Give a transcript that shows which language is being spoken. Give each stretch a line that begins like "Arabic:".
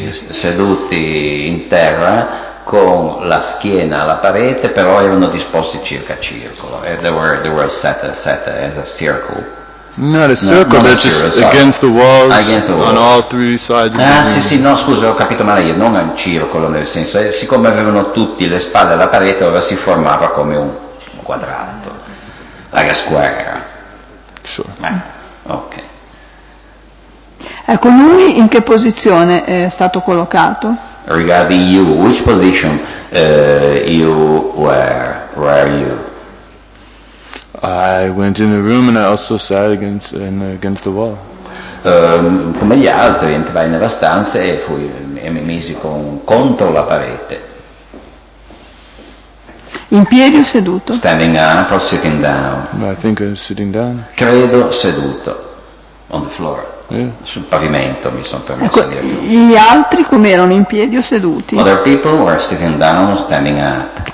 Italian: seduti in terra, con la schiena alla parete, però erano disposti circa circolo.
English: They were set as a circle. Not a circle, just against the walls, against the wall. On all three sides.
Italian: Ho capito male io, non un circolo nel senso, siccome avevano tutti le spalle alla parete, allora si formava come un quadrato,
English: like a square. Sure. Ok.
Italian: Ecco, lui in che posizione è stato collocato?
English: Regarding you, which position you were? Where are you? I went in the room and I also sat against the wall.
Italian: Come gli altri, entrai nella stanza e mi misi contro la parete. In piedi o seduto?
English: Standing up or sitting down? I think I'm sitting down.
Italian: Credo seduto.
English: On the floor. Yeah.
Italian: Sul pavimento mi sono permesso di dire. Gli altri come erano, in piedi o seduti?
English: Other people were sitting down or standing up.